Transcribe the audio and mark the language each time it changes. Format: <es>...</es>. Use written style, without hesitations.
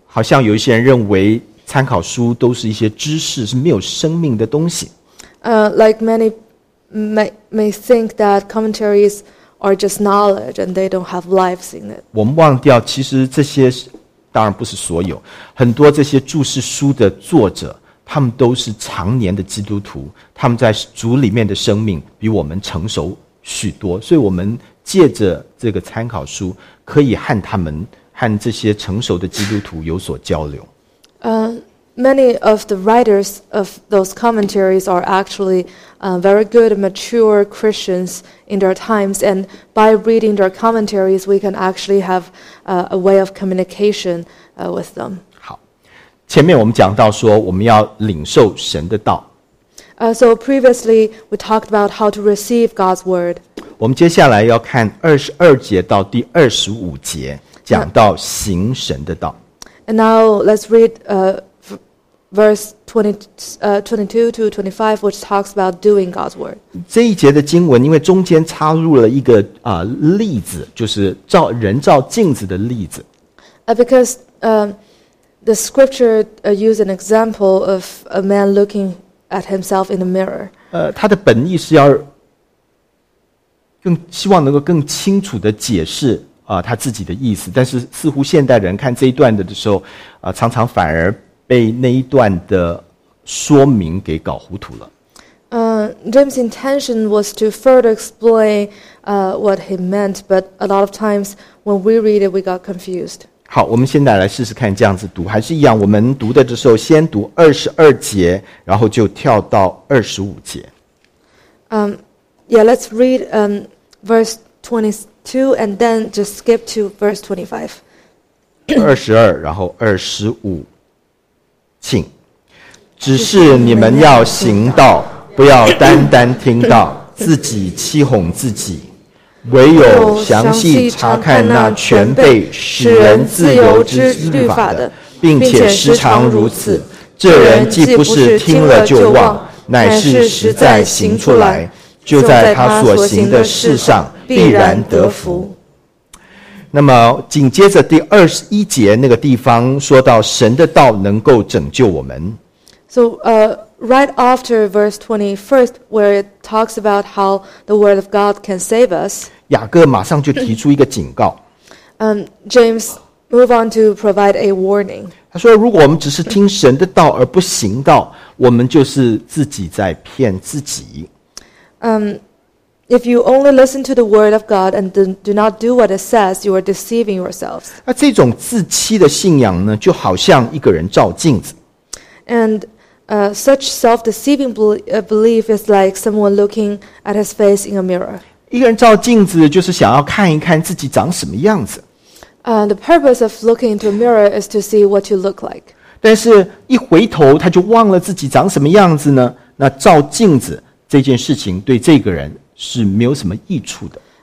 <zh>好像有一些人认为参考书都是一些知识，是没有生命的东西。</zh> <en>Like many may think that commentaries are just knowledge and they don't have lives in it.</en> <zh>我们忘掉，其实这些当然不是所有，很多这些注释书的作者，他们都是常年的基督徒，他们在主里面的生命比我们成熟许多，所以我们借着这个参考书可以和他们和这些成熟的基督徒有所交流。</zh> <en>Many of the writers of those commentaries are actually very good mature Christians in their times, and by reading their commentaries, we can actually have a way of communication with them.</en> <zh>好，前面我们讲到说我们要领受神的道。</zh> <en>So previously we talked about how to receive God's word.</en> <zh>我们接下来要看22节到25节，讲到行神的道。</zh> <en>And now let's read verse 22 to 25, which talks about doing God's word.</en> <zh>这一节的经文，因为中间插入了一个例子，就是照人照镜子的例子。</zh> <en>Because the scripture used an example of a man looking at himself in the mirror.</en> <zh>他的本意是要更希望能够更清楚的解释他自己的意思，但是似乎现代人看这一段的时候，常常反而被那一段的说明给搞糊涂了。</zh> <en>James' intention was to further explain what he meant, but a lot of times when we read it, we got confused.</en> <zh>好，我们现在来试试看这样子读，还是一样，我们读的时候先读22节，然后就跳到25节。</zh> <en>Yeah, let's read verse 22 and then just skip to verse 25.</en> <zh>22, 然后25。请，只是你们要行道，不要单单听到，自己欺哄自己，唯有详细查看那全备使人自由之律法的，并且时常如此，这人既不是听了就忘，乃是实在行出来，就在他所行的事上必然得福。那么紧接着第21节那个地方说到神的道能够拯救我们。</zh> <en>So, right after verse 21st, where it talks about how the word of God can save us,</en> <zh>雅各马上就提出一个警告。</zh> <en>James move on to provide a warning.</en> <zh>他说如果我们只是听神的道而不行道，我们就是自己在骗自己。</zh> <en>If you only listen to the word of God and do not do what it says, you are deceiving yourselves.</en> <zh>那这种自欺的信仰呢，就好像一个人照镜子。</zh> <en>And such self-deceiving belief is like someone looking at his face in a mirror.</en> <zh>一个人照镜子就是想要看一看自己长什么样子。</zh> <en>The purpose of looking into a mirror is to see what you look like.</en> <zh>但是一回头他就忘了自己长什么样子呢？那照镜子这件事情对这个人是没有什么益处的。</zh>